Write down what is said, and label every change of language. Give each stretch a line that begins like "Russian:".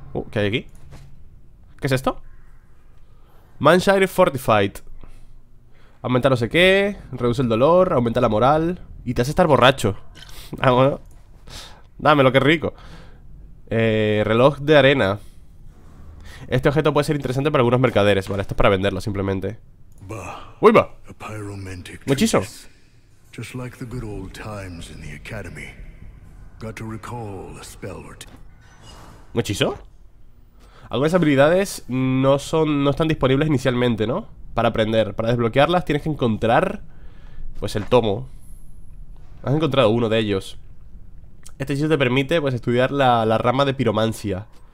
Spanish: ¿Qué hay aquí? ¿Qué es esto? Manshire Fortified. Aumenta no sé qué. Reduce el dolor. Aumenta la moral. Y te hace estar borracho. Vámonos. Dámelo, qué rico. Reloj de arena. Este objeto puede ser interesante para algunos mercaderes. Vale, esto es para venderlo, simplemente. ¡Uy, va! ¡Muchísimo!
English: Just like the good old times in the academy. Got to recall a spell or two. ¿Hechizo?
Spanish: Algunas habilidades no están disponibles inicialmente, ¿no? Para aprender. Para desbloquearlas tienes que encontrar, pues, el tomo. Has encontrado uno de ellos. Este hechizo te permite, pues, estudiar la rama de piromancia.